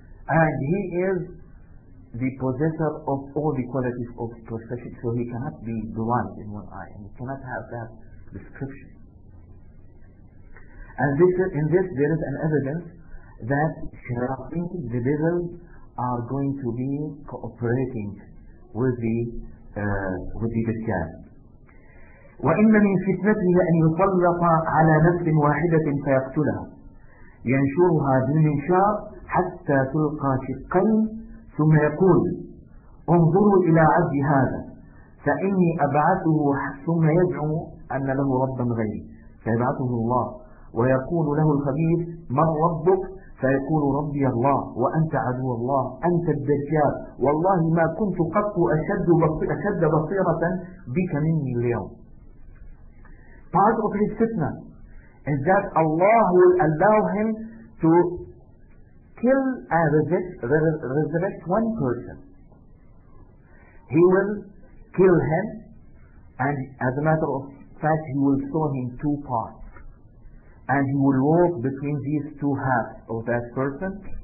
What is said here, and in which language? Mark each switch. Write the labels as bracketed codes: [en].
[en] and he is the possessor of all the qualities of perfection, so he cannot be blind in one eye, and he cannot have that description. And this, in this there is an evidence that shayateen, the devil, are going to be cooperating with the Dajjal. [ar] وَإِنَّ مِنْ فِتْنَتِهِ أَنْ يُطَلَّقَ عَلَى نَفْسٍ وَاحِدَةٍ فَيَقْتُلَهَا يَنْشُرُهَا بِالنِّشَارِ حَتَّى تُلْقَى شِقَّيْنِ ثم يقول انظروا إلى عبد هذا فإني أبعثه ثم يدعو أن له ربا غيري فيبعثه الله ويقول له الخبيث من ربك فيقول ربي الله وأنت عدو الله أنت الدجال والله ما كنت قط أشد بصيرة بك مني اليوم. [en] Part of his fitna is that Allah will allow him to kill and resurrect one person. He will kill him, and as a matter of fact, he will saw him two parts, and he will walk between these two halves of that person.